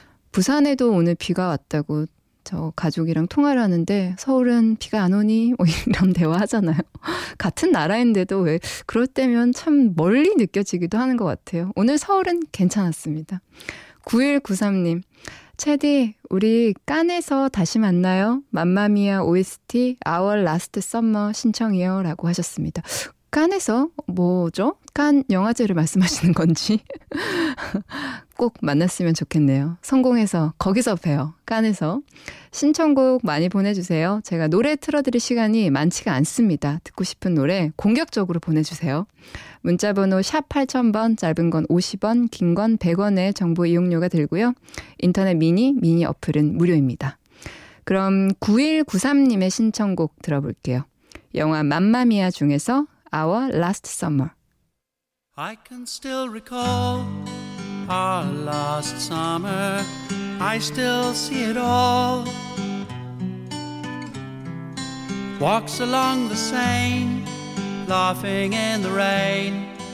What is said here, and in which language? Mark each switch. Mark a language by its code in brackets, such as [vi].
[ko] 부산에도 오늘 비가 왔다고 저 가족이랑 통화를 하는데 서울은 비가 안 오니? 뭐 이런 대화하잖아요. 같은 나라인데도 왜 그럴 때면 참 멀리 느껴지기도 하는 것 같아요. 오늘 서울은 괜찮았습니다. 9193님. 체디, 우리 깐에서 다시 만나요. 맘마미아 OST Our Last Summer 신청이요. 라고 하셨습니다. 깐에서 뭐죠? 깐 영화제를 말씀하시는 건지. 꼭 만났으면 좋겠네요. 성공해서 거기서 봬요. 깐에서. 신청곡 많이 보내주세요. 제가 노래 틀어드릴 시간이 많지가 않습니다. 듣고 싶은 노래 공격적으로 보내주세요. 문자번호 샵 8000번, 짧은 건 50원, 긴 건 100원의 정보 이용료가 들고요. 인터넷 미니 어플은 무료입니다. 그럼 9193님의 신청곡 들어볼게요. 영화 맘마미아 중에서 Our Last Summer. [en] I can still recall our last summer. I still see it all. Walks along the Seine, laughing in the rain.